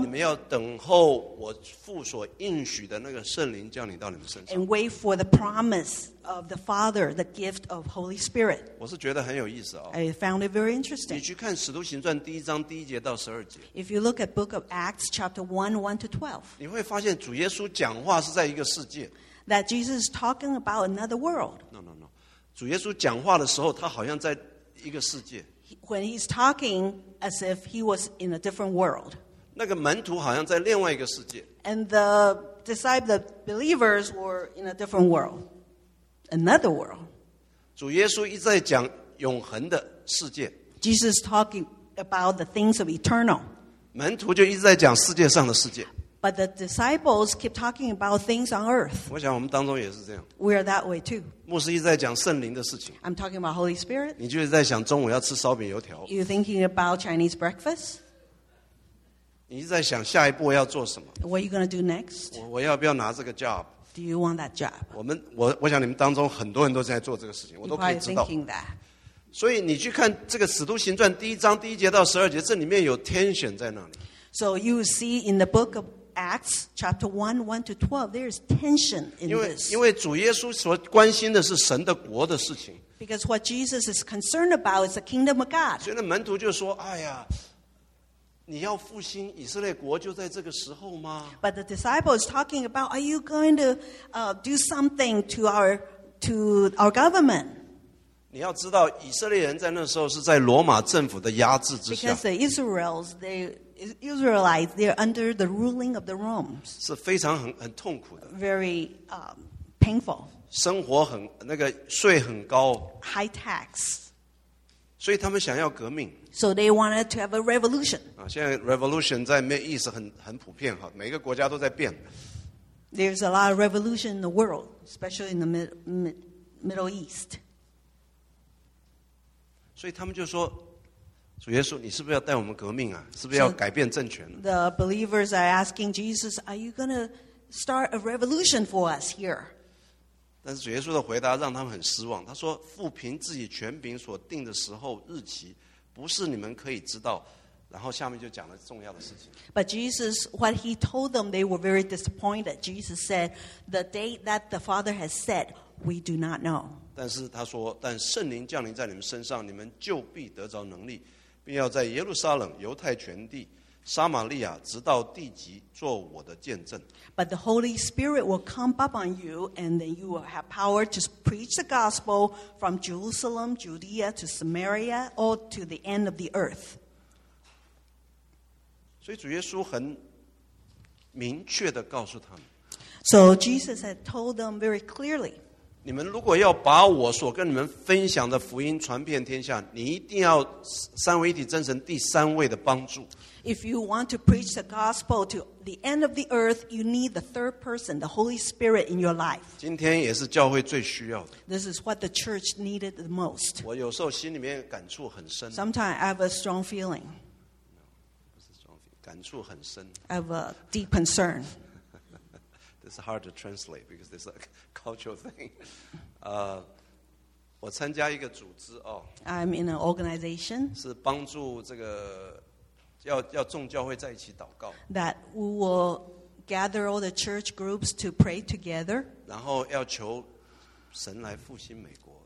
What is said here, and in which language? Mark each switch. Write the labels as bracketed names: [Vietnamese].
[Chinese] 你们要等候我父所应许的那个圣灵降临到你们身上 [English] and wait for the promise of the Father, the gift of Holy Spirit. [Chinese] 我是觉得很有意思哦。 [English] I found it very interesting. [Chinese] 你去看《使徒行传》第一章第一节到十二节。 [English] If you look at Book of Acts, chapter 1:1-12, [Chinese] 你会发现主耶稣讲话是在一个世界。 [English] That Jesus is talking about another world. No. [Chinese] 主耶稣讲话的时候，他好像在一个世界。 [English] When he's talking, as if he was in a different world. [Chinese] 那个门徒好像在另外一个世界。 [English] And the disciples, the believers, were in a different world. Another world. [Chinese] 主耶稣一直在讲永恒的世界。 [English] Jesus is talking about the things of eternal. [Chinese] 门徒就一直在讲世界上的世界。 [English] But the disciples keep talking about things on earth. [Chinese] 我想我们当中也是这样。 [English] We are that way too. [Chinese] 牧师一直在讲圣灵的事情。 [English] I'm talking about Holy Spirit. [Chinese] 你就是在想中午要吃烧饼油条。 [English] You're thinking about Chinese breakfast. [Chinese] 你一直在想下一步要做什么。 [English] What are you going to do next? [Chinese] 我要不要拿这个 job? [English] Do you want that job? [Chinese] 我想你们当中很多人都在做这个事情，我都可以知道。所以你去看这个《使徒行传》第一章第一节到十二节，这里面有 tension 在那里。 [English] So you see in the book of Acts, chapter 1:1-12, there is tension in this. [Chinese] 因为主耶稣所关心的是神的国的事情。 [English] Because what Jesus is concerned about is the kingdom of God. [Chinese] 所以那门徒就说：“哎呀。” 你要复兴以色列国就在这个时候吗 [English] But the disciple is talking about Are you going to do something to our government? [Chinese] 你要知道以色列人在那时候是在罗马政府的压制之下 [English] Because the Israelites they're under the ruling of the Romans [Chinese] 是非常很痛苦的 [English] Very painful [Chinese] 生活很那个税很高 [English] High tax [Chinese] 所以他们想要革命 [English] So they wanted to have a revolution. [Chinese] 现在 revolution 在 Middle East 很普遍哈，每个国家都在变。 [English] There's a lot of revolution in the world, especially in the Middle East. [Chinese] 所以他们就说，主耶稣，你是不是要带我们革命啊？是不是要改变政权？ [English] So, the believers are asking Jesus, "Are you going to start a revolution for us here?" [Chinese] 但是主耶稣的回答让他们很失望。他说，父凭自己权柄所定的时候日期。不是你们可以知道，然后下面就讲了重要的事情。 [English] But Jesus, what he told them, they were very disappointed. Jesus said, "The date that the Father has set, we do not know." [Chinese] 但是他说，但圣灵降临在你们身上，你们就必得着能力，并要在耶路撒冷、犹太全地、撒玛利亚，直到地极，做我的见证。 [English] But the Holy Spirit will come up on you, and then you will have power to preach the gospel from Jerusalem, Judea to Samaria, or to the end of the earth. [Chinese] 所以主耶稣很明确地告诉他们。 [English] So Jesus had told them very clearly. [Chinese] 你们如果要把我所跟你们分享的福音传遍天下，你一定要三位一体真神第三位的帮助。 [English] If you want to preach the gospel to the end of the earth, you need the third person, the Holy Spirit in your life. [Chinese] 今天也是教会最需要的。 [English] This is what the church needed the most. [Chinese] 我有时候心里面感触很深。 [English] Sometimes I have a strong feeling. No, [Chinese] 不是 [English] strong feeling, [Chinese] 感触很深。 [English] I have a deep concern. This is hard to translate because this is a cultural thing. [Chinese] 我参加一个组织哦。 [English] I'm in an organization. [Chinese] 是帮助这个要众教会在一起祷告。 [English] That we will gather all the church groups to pray together. [Chinese] 然后要求神来复兴美国。